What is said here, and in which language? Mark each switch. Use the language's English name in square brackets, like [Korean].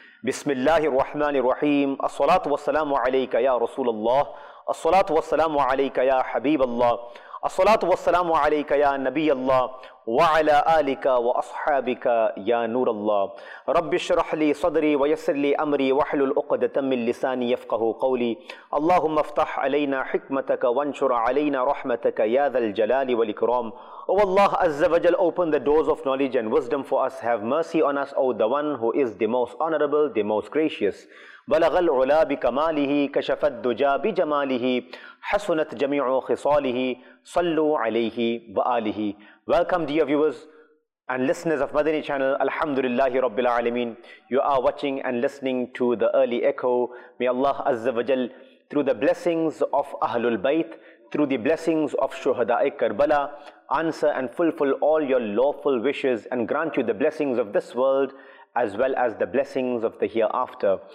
[Arabic] بسم الله الرحمن الرحيم الصلاة والسلام عليك يا رسول الله الصلاة والسلام عليك يا حبيب الله الصلاة والسلام عليك يا نبي الله وعلى آلك وأصحابك يا نور الله رب اشرح لي صدري ويسر لي أمري واحلل عقدة من لساني يفقه قولي اللهم افتح علينا حكمتك وانشر علينا رحمتك يا ذا الجلال والإكرام [English] O Allah Azza wa Jal, open the doors of knowledge and wisdom for us. Have mercy on us, O the one who is the most honorable, the most gracious. [Arabic] بلغ العلا بكماله كشف الدجا بجماله حسنت جميع خصاله صلوا عليه وآله. [English] Welcome dear viewers and listeners of Madani channel. Alhamdulillahi Rabbil Alameen. You are watching and listening to the early echo. May Allah Azza wa Jal, through the blessings of Ahlul Bayt, through the blessings of Shuhada'i Karbala, answer and fulfill all your lawful wishes and grant you the blessings of this world as well as the blessings of the hereafter.